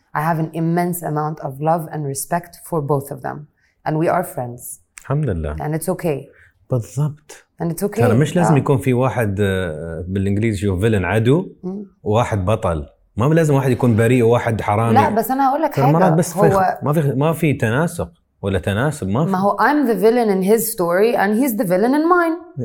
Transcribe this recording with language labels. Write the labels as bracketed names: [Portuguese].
[English] I have an immense amount of love and respect for both of them and we are friends [Arabic] الحمد لله [English] and it's okay [Arabic] بالضبط [English] and it's okay [Arabic] ترى مش لازم يكون في واحد بالانجليزي هو فيلن عدو وواحد بطل ما لازم واحد يكون بريء وواحد حرامي لا بس انا اقول لك حاجه بس هو ما في تناسق ولا تناسب ما في ما هو [English] I'm the villain in his story and he's the villain in mine